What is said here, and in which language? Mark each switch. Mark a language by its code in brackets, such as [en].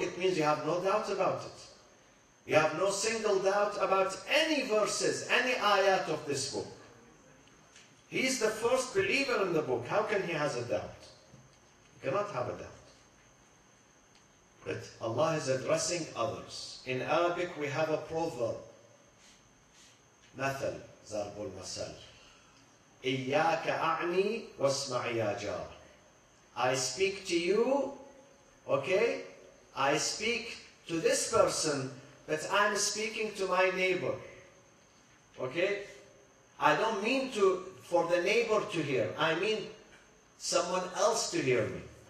[en] It means you have no doubt about it. You have no single doubt about any verses, any ayat of this book. He's the first believer in the book. How can he have a doubt? He cannot have a doubt. But Allah is addressing others. In Arabic, we have a proverb. [ar] مثل ضرب المثل إياك أعني واسمع يا جار. [en] I speak to you, okay? I speak to this person, but I'm speaking to my neighbor, okay? I don't mean for the neighbor to hear. I mean someone else to hear me.